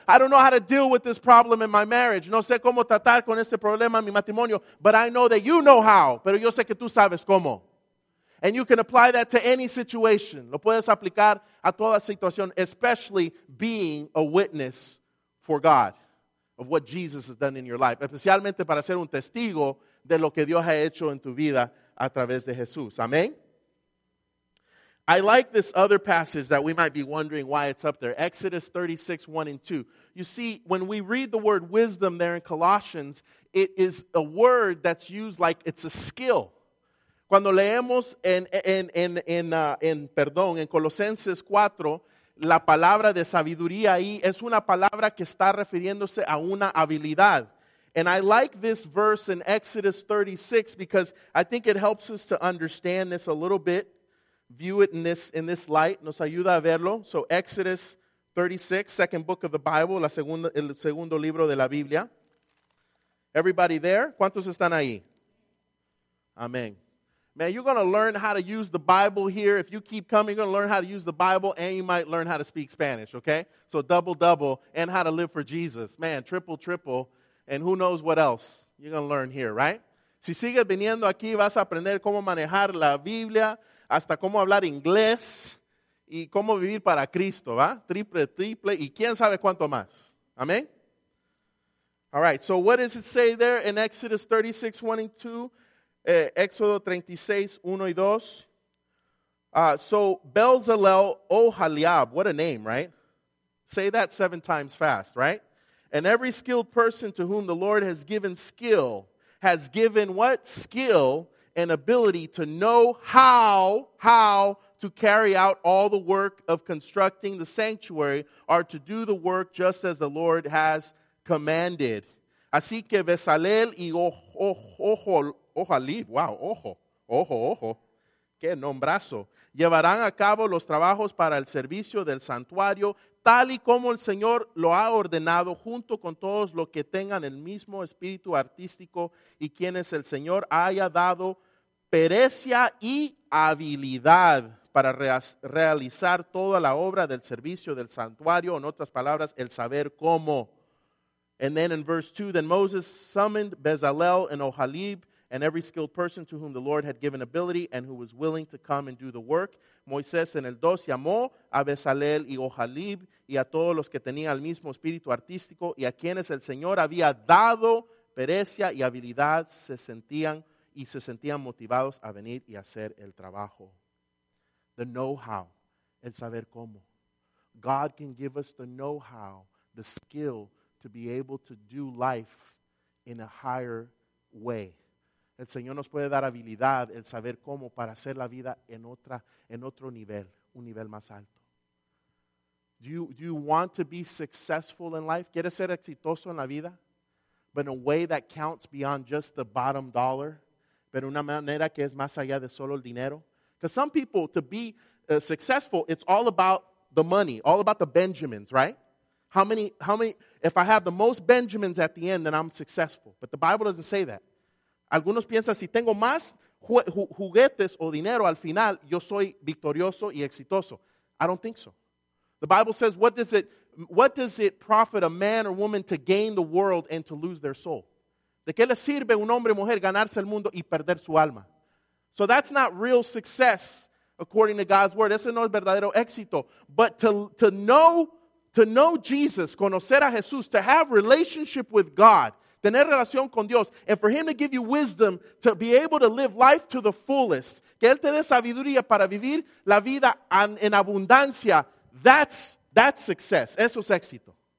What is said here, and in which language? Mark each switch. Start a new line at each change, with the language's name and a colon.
English: I don't know how to deal with this problem in my marriage.
Spanish: No sé cómo tratar con este problema en mi matrimonio.
English: But I know that you know how.
Spanish: Pero yo sé que tú sabes cómo.
English: And you can apply that to any situation.
Spanish: Lo puedes aplicar a toda situación,
English: especially being a witness for God of what Jesus has done in your life.
Spanish: Especialmente para ser un testigo de lo que Dios ha hecho en tu vida a través de Jesús. Amén.
English: I like this other passage that we might be wondering why it's up there. Exodus 36, 1 and 2. You see, when we read the word wisdom there in Colossians, it is a word that's used like it's a skill.
Spanish: Cuando leemos en Colosenses 4, la palabra de sabiduría ahí es una palabra que está refiriéndose a una habilidad.
English: And I like this verse in Exodus 36 because I think it helps us to understand this a little bit. View it in this light.
Spanish: Nos ayuda a verlo.
English: So Exodus 36, second book of the Bible,
Spanish: el segundo libro de la Biblia.
English: Everybody there?
Spanish: ¿Cuántos están ahí?
English: Amen. Man, you're going to learn how to use the Bible here. If you keep coming, you're going to learn how to use the Bible, and you might learn how to speak Spanish, okay? So double, and how to live for Jesus. Man, triple, and who knows what else you're going to learn here, right?
Spanish: Si sigues viniendo aquí, vas a aprender cómo manejar la Biblia, hasta cómo hablar inglés y cómo vivir para Cristo, ¿va? Triple, y quién sabe cuánto más. ¿Amén?
English: All right, so what does it say there in Exodus 36, 1 and 2?
Spanish: Éxodo 36, 1 y 2.
English: So, Bezalel Oholiab, what a name, right? Say that 7 times fast, right? And every skilled person to whom the Lord has given skill, has given what? Skill and ability to know how to carry out all the work of constructing the sanctuary or to do the work just as the Lord has commanded.
Spanish: Así que Bezalel y Oholiab, qué nombrazo, llevarán a cabo los trabajos para el servicio del santuario tal y como el Señor lo ha ordenado, junto con todos los que tengan el mismo espíritu artístico y quienes el Señor haya dado pericia y habilidad para realizar toda la obra del servicio del santuario, en otras palabras, el saber cómo.
English: And then in verse 2, then Moses summoned Bezalel and Oholiab and every skilled person to whom the Lord had given ability and who was willing to come and do the work.
Spanish: Moisés en el 2 llamó a Bezalel y Oholiab y a todos los que tenían el mismo espíritu artístico y a quienes el Señor había dado pericia y habilidad se sentían motivados a venir y hacer el trabajo.
English: The know-how,
Spanish: el saber cómo.
English: God can give us the know-how, the skill to be able to do life in a higher way.
Spanish: El Señor nos puede dar habilidad, el saber cómo para hacer la vida en otro nivel, un nivel más alto.
English: Do you want to be successful in life?
Spanish: ¿Quieres ser exitoso en la vida?
English: But in a way that counts beyond just the bottom dollar.
Spanish: Pero una manera que es más allá de solo el dinero.
English: Because some people, to be successful, it's all about the money, all about the Benjamins, right? How many, if I have the most Benjamins at the end, then I'm successful. But the Bible doesn't say that.
Spanish: Algunos piensan, si tengo más juguetes o dinero al final, yo soy victorioso y exitoso.
English: I don't think so. The Bible says, what does it profit a man or woman to gain the world and to lose their soul?
Spanish: ¿De qué le sirve un hombre o mujer ganarse el mundo y perder su alma?
English: So that's not real success according to God's word.
Spanish: Ese no es verdadero éxito.
English: But to know Jesus,
Spanish: conocer a Jesús,
English: to have relationship with God,
Spanish: tener relación con Dios,
English: and for him to give you wisdom to be able to live life to the fullest,
Spanish: que él te dé sabiduría para vivir la vida en abundancia,
English: that's success.
Spanish: Eso es éxito.